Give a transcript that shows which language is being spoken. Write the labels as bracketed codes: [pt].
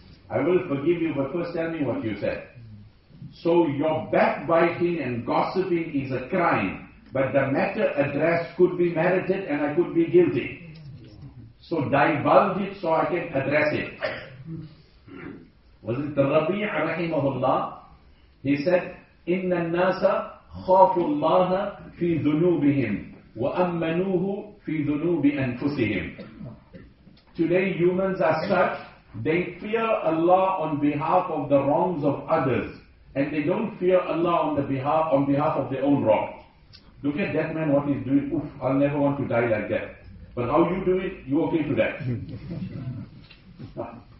[en] I will forgive you, but first tell me what you said. So your backbiting and gossiping is a crime. But the matter addressed could be merited and I could be guilty. So divulge it so I can address it. Was it Rabi'a rahimahullah? He said, [ar] إِنَّ النَّاسَ خَافُوا اللَّهَ فِي ذُنُوبِهِمْ وَأَمَّنُوهُ فِي ذُنُوبِ أَنفُسِهِمْ. [en] Today humans are such, they fear Allah on behalf of the wrongs of others. And they don't fear Allah on behalf of their own wrongs. Look at that man, what he's doing. Oof, I'll never want to die like that. But how you do it, you okay to that.